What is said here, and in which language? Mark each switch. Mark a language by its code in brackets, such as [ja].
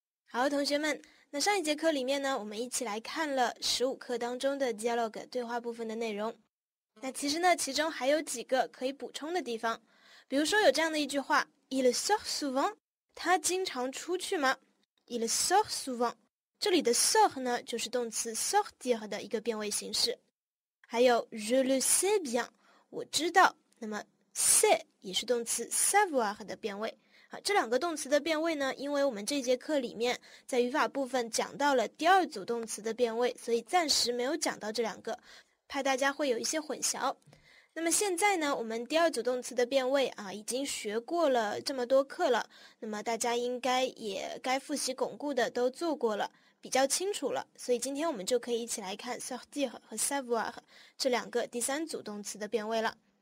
[zh] 好，同学们，那上一节课里面呢，我们一起来看了15课当中的 dialogue 对话部分的内容。那其实呢，其中还有几个可以补充的地方，比如说有这样的一句话 [fr] Il sort souvent， [zh] 他经常出去吗？ [fr] Il sort souvent， [zh] 这里的 sort 呢，就是动词 sortir 的一个变位形式。还有 [fr] Je le sais bien， [zh] 我知道。那么 sais 也是动词 savoir 的变位。这两个动词的变位呢，因为我们这节课里面在语法部分讲到了第二组动词的变位，所以暂时没有讲到这两个，怕大家会有一些混淆。那么现在呢，我们第二组动词的变位啊，已经学过了这么多课了，那么大家应该也该复习巩固的都做过了，比较清楚了，所以今天我们就可以一起来看 sortir 和 savoir 这两个第三组动词的变位了。